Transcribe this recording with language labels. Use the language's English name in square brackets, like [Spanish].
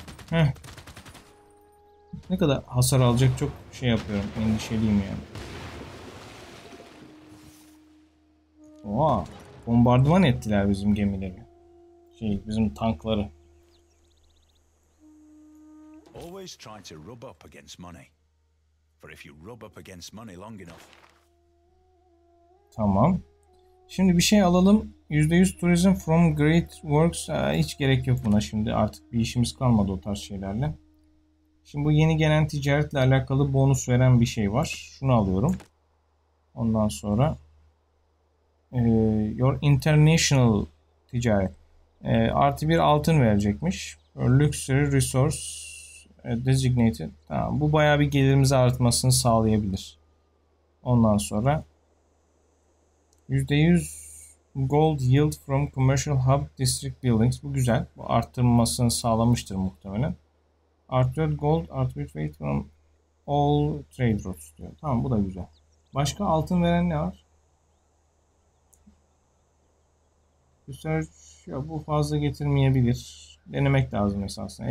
[Turkish] Heh. Ne kadar hasar alacak çok şey yapıyorum. Endişeliyim ya. Oha. Bombardıman ettiler bizim gemileri. Şey bizim tankları. [English] Always try to rub up against money. For if you rub up against money long enough. [Turkish] Tamam. Şimdi bir şey alalım. [English] %100 tourism from great works. [Turkish] Hiç gerek yok buna şimdi. Artık bir işimiz kalmadı o tarz şeylerle. Şimdi bu yeni gelen ticaretle alakalı bonus veren bir şey var. Şunu alıyorum. Ondan sonra [English] your international [Turkish] ticaret. Artı bir altın verecekmiş. [English] Luxury resource designated. [Turkish] Tamam. Bu bayağı bir gelirimizi artmasını sağlayabilir. Ondan sonra [English] %100 gold yield from commercial hub district buildings. [Turkish] Bu güzel. Bu arttırmasını sağlamıştır muhtemelen. Artıyor gold, artıyor [English] weight from all trade routes [Turkish] diyor. Tamam bu da güzel. Başka altın veren ne var? Research, ya bu fazla getirmeyebilir. Denemek lazım esasında.